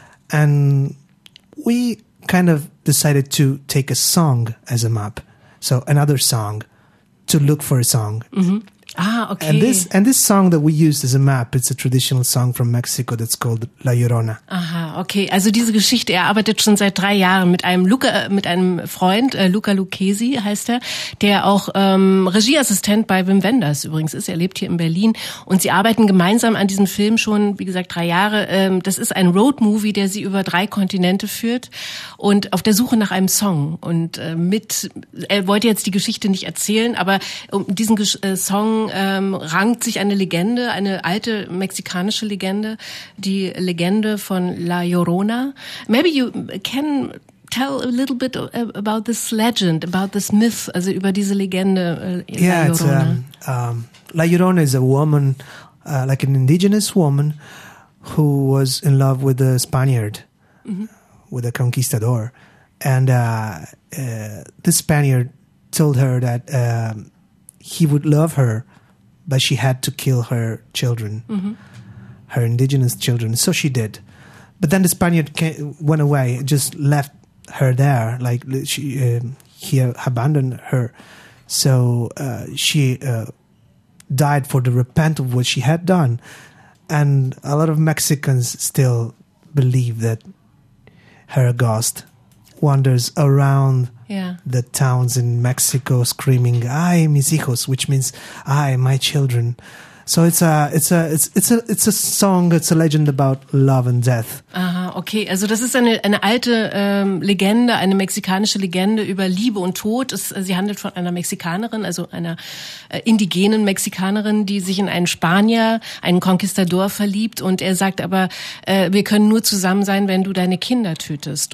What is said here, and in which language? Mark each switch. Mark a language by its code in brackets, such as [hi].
[en] And we kind of decided to take a song as a map. So another song to look for a song. Mm-hmm. Ah, okay. And this song that we used as a map, it's a traditional song from Mexico that's called La Llorona. Aha, okay. [de] Also diese Geschichte, er arbeitet schon seit 3 Jahren mit einem Freund, Luca Lucchesi heißt er, der auch Regieassistent bei Wim Wenders übrigens ist. Er lebt hier in Berlin und sie arbeiten gemeinsam an diesem Film schon, wie gesagt, 3 Jahre. Das ist ein Roadmovie, der sie über 3 Kontinente führt und auf der Suche nach einem Song. Und er wollte jetzt die Geschichte nicht erzählen, aber um diesen Song rankt sich eine Legende, eine alte mexikanische Legende, die Legende von La Llorona. [en] Maybe you can tell a little bit about this legend, about this myth, [de] also über diese Legende, La [en] Llorona. Yeah, La Llorona is a woman, like an indigenous woman, who was in love with a Spaniard, with a conquistador. And the Spaniard told her that he would love her, but she had to kill her children, her indigenous children. So she did. But then the Spaniard went away, just left her there. Like he abandoned her. So she died for the repent of what she had done. And a lot of Mexicans still believe that her ghost wanders around the towns in Mexico screaming [es] "Ay, mis hijos," [en] which means "Ay, my children." So it's a song, it's a legend about love and death. Aha, okay. [de] Also das ist eine alte Legende, eine mexikanische Legende über Liebe und Tod. Sie handelt von einer Mexikanerin, also einer indigenen Mexikanerin, die sich in einen Spanier, einen Conquistador verliebt. Und er sagt aber, wir können nur zusammen sein, wenn du deine Kinder tötest.